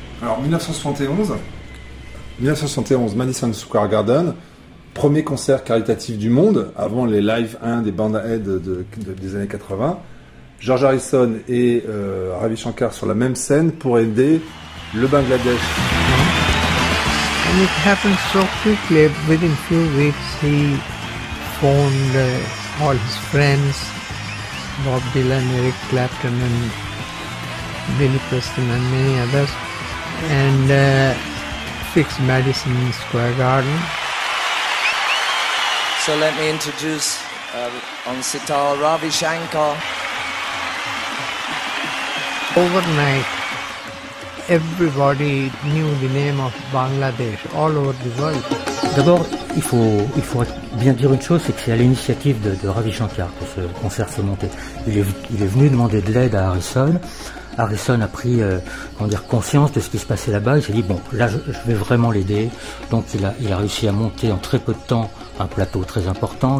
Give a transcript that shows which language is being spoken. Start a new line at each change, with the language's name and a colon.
French: Alors 1971, Madison Square Garden. Premier concert caritatif du monde, avant les Live 1 des Band Aid des années 80. George Harrison et Ravi Shankar sur la même scène pour aider le Bangladesh.
English: And it happened so quickly, within a few weeks, he phoned all his friends, Bob Dylan, Eric Clapton, and Billy Preston, and many others, and fixed Madison Square Garden. So let me introduce on sitar Ravi Shankar. Overnight, everybody knew the name of Bangladesh all over the world.
French: D'abord, il faut bien dire une chose, c'est que c'est à l'initiative de Ravi Shankar que ce concert s'est monté. Il est venu demander de l'aide à Harrison. Harrison a pris conscience de ce qui se passait là-bas. Il s'est dit, bon, là, je vais vraiment l'aider. Donc, il a réussi à monter en très peu de temps un plateau très important.